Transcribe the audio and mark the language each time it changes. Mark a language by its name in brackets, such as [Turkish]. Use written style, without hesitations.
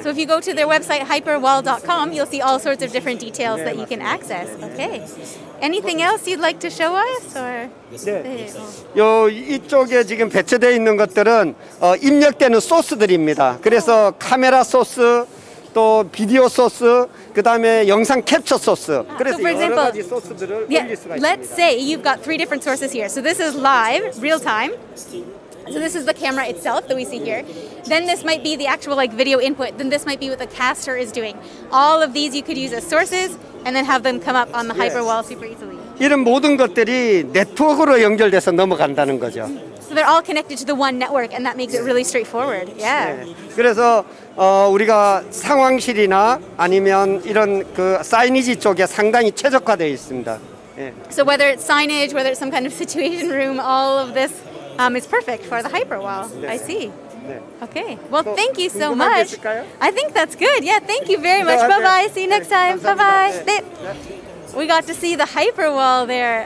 [English] So if you go to their website hyperwall.com, you'll see all sorts of different details [Korean] 네, [English] that [Korean] 맞습니다. [English] you can access. [Korean] 네, 네. [English] Okay. Anything else you'd like to show us? Or? [Korean] 네. 요 이쪽에 지금 배치되어 있는 것들은 입력되는 소스들입니다. 그래서 카메라 소스, 또 비디오 소스, 그다음에 영상 캡처 소스. 그래서 [English] so for example, [Korean] 여러 가지 소스들을 [English] yeah, [Korean] 올릴 수가 있습니다. [English] Let's say you've got three different sources here. So this is live, real time. So this is the camera itself that we see here. Then this might be the actual like video input. Then this might be what the caster is doing. All of these you could use as sources and then have them come up on the Hyperwall super easily. [Korean] 이런 모든 것들이 네트워크로 연결돼서 넘어간다는 거죠. [English] So they're all connected to the one network and that makes it really straightforward. Yeah. [Korean] 그래서 우리가 상황실이나 아니면 이런 그 사이니지 쪽에 상당히 최적화되어 있습니다. [English] So whether it's signage, whether it's some kind of situation room, all of this is perfect for the Hyperwall. [Korean] 네. [English] I see. 네. Okay. Well, thank you so much. [Korean] 됐을까요? [English] I think that's good. Yeah, thank you very much. [Korean] 네, [English] bye-bye. [Korean] 네. [English] See you next time. [Korean] 감사합니다. [English] Bye-bye. [Korean] 네. 네. [English] We got to see the Hyperwall there.